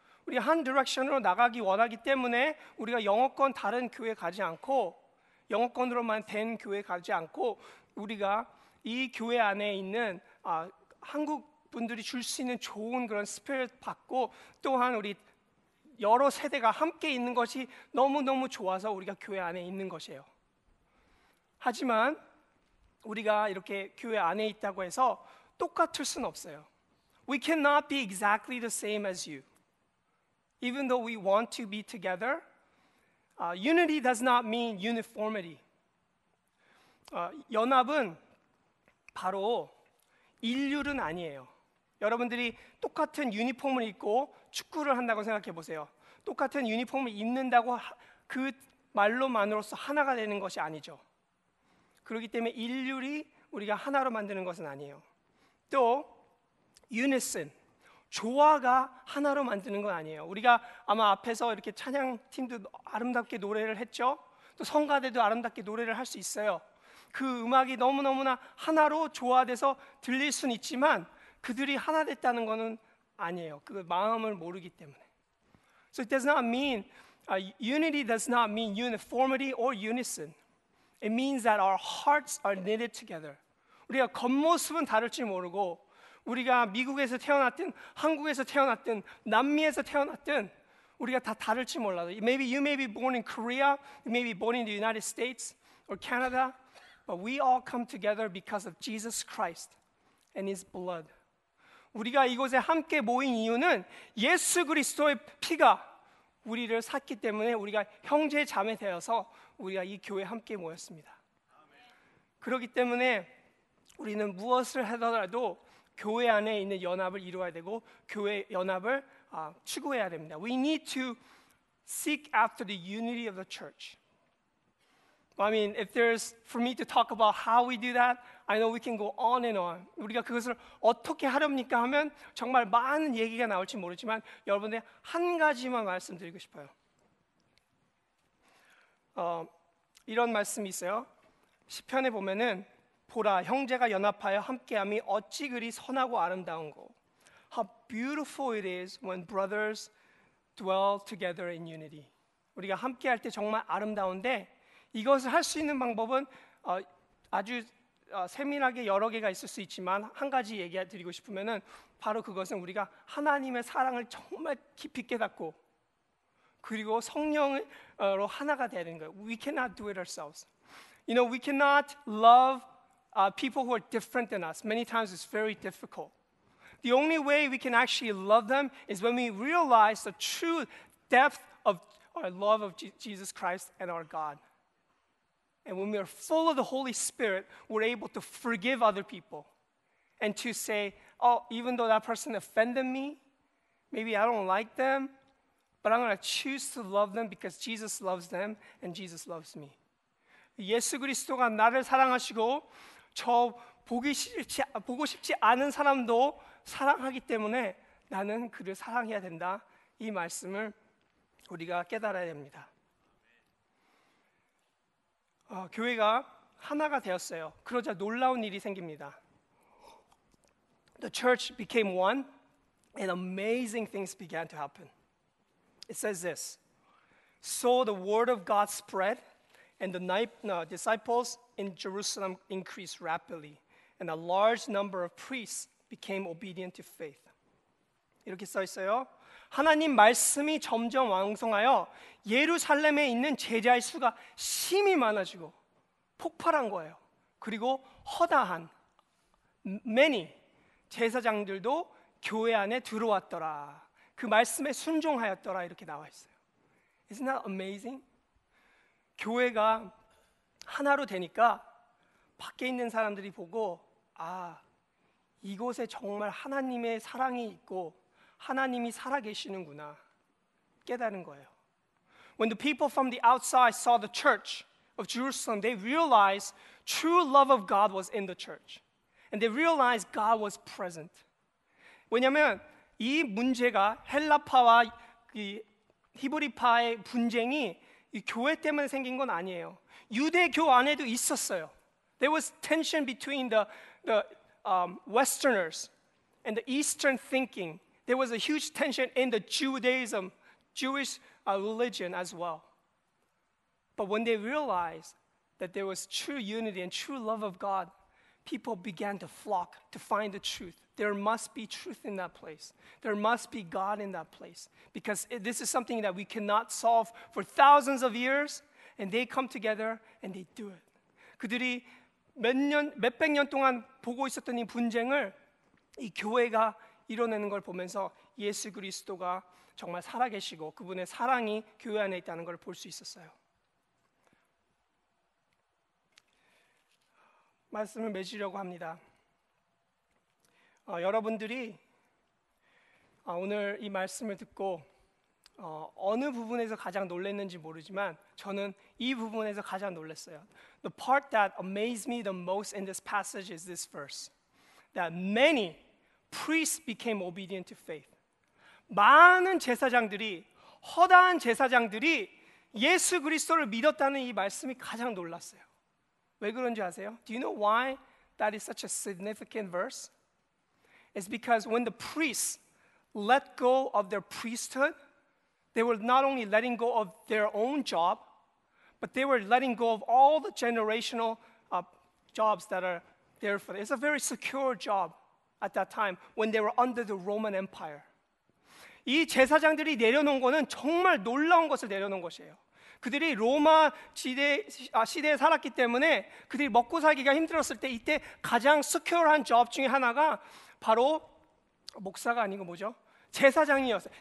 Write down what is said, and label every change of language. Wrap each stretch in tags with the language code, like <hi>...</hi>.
<ko>우리 한 디렉션으로 나가기 원하기 때문에 우리가 영어권 다른 교회 가지 않고 영어권으로만 된 교회 가지 않고 우리가 이 교회 안에 있는 한국 분들이 줄 수 있는 좋은 그런 스피릿 받고 또한 우리 여러 세대가 함께 있는 것이 너무너무 좋아서 우리가 교회 안에 있는 것이에요. 하지만 우리가 이렇게 교회 안에 있다고 해서 똑같을 순 없어요.</ko> <en>We cannot be exactly the same as you. Even though we want to be together, unity does not mean uniformity.</en> <ko>연합은 바로 일률은 아니에요. 여러분들이 똑같은 유니폼을 입고 축구를 한다고 생각해 보세요. 똑같은 유니폼을 입는다고 그 말로만으로서 하나가 되는 것이 아니죠. 그렇기 때문에 일률이 우리가 하나로 만드는 것은 아니에요. 또 유니슨, 조화가 하나로 만드는 건 아니에요. 우리가 아마 앞에서 이렇게 찬양팀도 아름답게 노래를 했죠. 또 성가대도 아름답게 노래를 할 수 있어요. 그 음악이 너무너무나 하나로 조화돼서 들릴 순 있지만 그들이 하나 됐다는 것은 아니에요. 그 마음을 모르기 때문에.</ko> <en>So it does not mean, unity does not mean uniformity or unison. It means that our hearts are knitted together.</en> <ko>우리가 겉모습은 다를지 모르고 우리가 미국에서 태어났든 한국에서 태어났든 남미에서 태어났든 우리가 다 다를지 몰라도</ko> <en>maybe you may be born in Korea, you may be born in the United States or Canada, but we all come together because of Jesus Christ and His blood.</en> <ko>우리가 이곳에 함께 모인 이유는 예수 그리스도의 피가 우리를 샀기 때문에 우리가 형제 자매 되어서 우리가 이 교회에 함께 모였습니다. 그렇기 때문에 우리는 무엇을 하더라도 교회 안에 있는 연합을 이루어야 되고 교회 연합을 추구해야 됩니다.</ko> <en>We need to seek after the unity of the church. I mean, if there's for me to talk about how we do that, I know we can go on and on.</en> <ko>우리가 그것을 어떻게 하렵니까 하면 정말 많은 얘기가 나올지 모르지만 여러분들 한 가지만 말씀드리고 싶어요. 이런 말씀이 있어요. 시편에 보면은 보라, 형제가 연합하여 함께함이 어찌 그리 선하고 아름다운고.</ko> <en>How beautiful it is when brothers dwell together in unity.</en> <ko>우리가 함께할 때 정말 아름다운데 이것을 할 수 있는 방법은 아주 세밀하게 여러 개가 있을 수 있지만 한 가지 얘기해드리고 싶으면은 바로 그것은 우리가 하나님의 사랑을 정말 깊이 깨닫고 그리고 성령으로 하나가 되는 거예요.</ko> <en>We cannot do it ourselves. You know, we cannot love people who are different than us. Many times it's very difficult. The only way we can actually love them is when we realize the true depth of our love of Jesus Christ and our God. And when we are full of the Holy Spirit, we're able to forgive other people and to say, oh, even though that person offended me, maybe I don't like them, but I'm going to choose to love them because Jesus loves them and Jesus loves me.</en> <ko>예수 그리스도가 나를 사랑하시고 저 보고 싶지 않은 사람도 사랑하기 때문에 나는 그를 사랑해야 된다. 이 말씀을 우리가 깨달아야 됩니다. 교회가 하나가 되었어요. 그러자 놀라운 일이 생깁니다.</ko> <en>The church became one and amazing things began to happen. It says this. So the word of God spread and the disciples in Jerusalem increased rapidly and a large number of priests became obedient to faith.</en> <ko>이렇게 써 있어요. 하나님 말씀이 점점 왕성하여 예루살렘에 있는 제자의 수가 심히 많아지고 폭발한 거예요. 그리고 허다한</ko> <en>many</en> <ko>제사장들도 교회 안에 들어왔더라. 그 말씀에 순종하였더라 이렇게 나와 있어요.</ko> <en>Isn't that amazing?</en> <ko>교회가 하나로 되니까 밖에 있는 사람들이 보고 아, 이곳에 정말 하나님의 사랑이 있고 하나님이 살아계시는구나 깨달은 거예요.</ko> <en>When the people from the outside saw the church of Jerusalem, they realized true love of God was in the church. And they realized God was present.</en> <ko>왜냐하면 이 문제가 헬라파와 히브리파의 분쟁이 이 교회 때문에 생긴 건 아니에요. 유대교 안에도 있었어요.</ko> <en>There was tension between the Westerners and the Eastern thinking. There was a huge tension in the Judaism, Jewish religion as well. But when they realized that there was true unity and true love of God, people began to flock to find the truth. There must be truth in that place. There must be God in that place. Because this is something that we cannot solve for thousands of years, and they come together and they do it.</en> <ko>그들이 몇백 년 동안 보고 있었던 이 분쟁을 이 교회가 이뤄내는 걸 보면서 예수 그리스도가 정말 살아계시고 그분의 사랑이 교회 안에 있다는 걸 볼 수 있었어요. 말씀을 맺으려고 합니다. 여러분들이 오늘 이 말씀을 듣고 어느 부분에서 가장 놀랐는지 모르지만 저는 이 부분에서 가장 놀랐어요.</ko> <en>The part that amazed me the most in this passage is this verse. That many priests became obedient to faith.</en> <ko>많은 제사장들이, 허다한 제사장들이 예수 그리스도를 믿었다는 이 말씀이 가장 놀랐어요. 왜 그런지 아세요?</ko> <en>Do you know why that is such a significant verse? It's because when the priests let go of their priesthood, they were not only letting go of their own job, but they were letting go of all the generational jobs that are there for them. It's a very secure job at that time when they were under the Roman Empire.</en> <ko>이 제사장들이 내려놓은 거는 정말 놀라운 것을 내려놓은 것이에요. 그들이 로마 시대에 살았기 때문에 그들이 먹고 살기가 힘들었을 때 이때 가장</ko> <en>secure</en> <ko>한</ko> <en>job</en> <ko>중에 하나가 바로 목사가 아니고 뭐죠? 제사장이었어요.</ko>